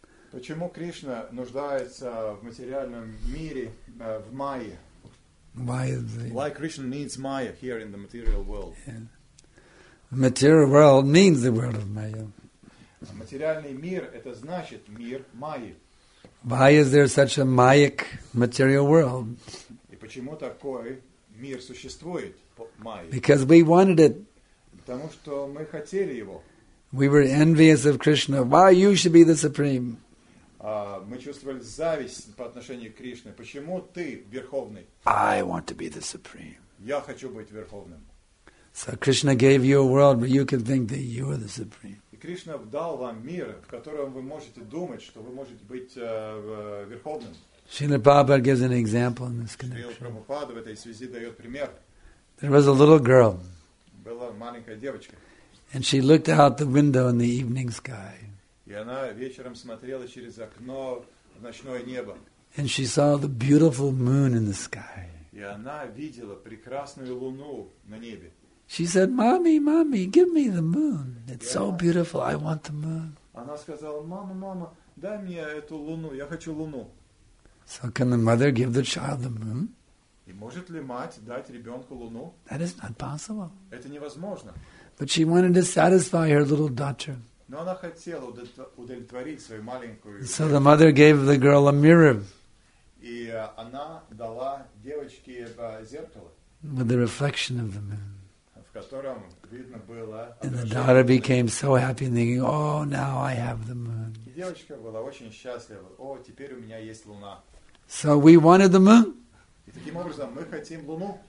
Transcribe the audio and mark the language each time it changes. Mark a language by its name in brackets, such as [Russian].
[Russian] Почему Кришна нуждается в материальном мире в Майе? [English] Why Krishna needs Maya here in the material world? Yeah. Material world means the world of Maya. [Russian] Материальный мир это значит мир Майи. [English] Why is there such a Mayic material world? [Russian] И почему такой мир существует по Майе? [English] Because we wanted it. [Russian] Потому что мы хотели его. [English] We were envious of Krishna. Why you should be the supreme? [Russian] Мы чувствовали зависть по отношению к Кришне. Почему ты верховный? [English] I want to be the supreme. [Russian] Я хочу быть верховным. [English] So Krishna gave you a world where you can think that you are the supreme. [Russian] И Кришна дал вам мир, в котором вы можете думать, что вы можете быть верховным. [English] Srila Prabhupada gives an example in this connection. [Russian] Srila Prabhupada в этой связи дает пример. [English] There was a little girl. [Russian] Была маленькая девочка. [English] And she looked out the window in the evening sky. [Russian] И она вечером смотрела через окно в ночное небо. [English] And she saw the beautiful moon in the sky. [Russian] И она видела прекрасную луну на небе. [English] She said, "Mommy, mommy, give me the moon. It's so beautiful. I want the moon." [Russian] Она сказала, "Мама, мама, дай мне эту луну. Я хочу луну." [English] So can the mother give the child the moon? [Russian] И может ли мать дать ребенку луну? [English] That is not possible. [Russian] Это невозможно. [English] But she wanted to satisfy her little daughter. [Russian] Но она хотела удовлетворить свою маленькую. [English] So the mother gave the girl a mirror. [Russian] И она дала девочке зеркало. [English] With the reflection of the moon. [Russian] В котором видно было. [English] And the daughter became so happy, thinking, "Oh, now I have the moon." [Russian] И девочка была очень счастлива. О, теперь у меня есть луна. [English] So we wanted the moon. [Russian] И таким образом мы хотим луну.